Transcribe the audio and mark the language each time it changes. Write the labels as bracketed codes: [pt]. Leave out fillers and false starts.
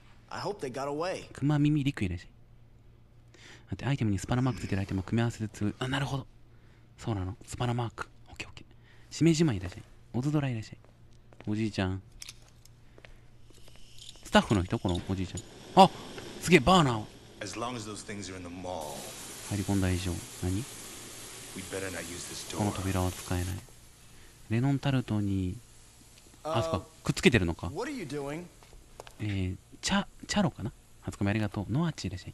[en] I hope they got away. [ja] クマミミリクいらっしゃい。だってアイテムにスパナマークついてるアイテムを組み合わせて強い。あ、なるほど。そうなの。スパナマーク。オッケーオッケー。しめじまいらっしゃい。オズドラいらっしゃい。おじいちゃん。スタッフの人？このおじいちゃん。あ、すげえ、バーナーを。 [en] As long as those things are in the mall. [ja] 入り込んだ以上。何？ [en] We better not use this door. [ja] この扉は使えない。レノンタルトに、あ、そっか、くっつけてるのか。 [en] What are you doing? [ja] チャロかな。初コメありがとう。ノアチいらっしゃい。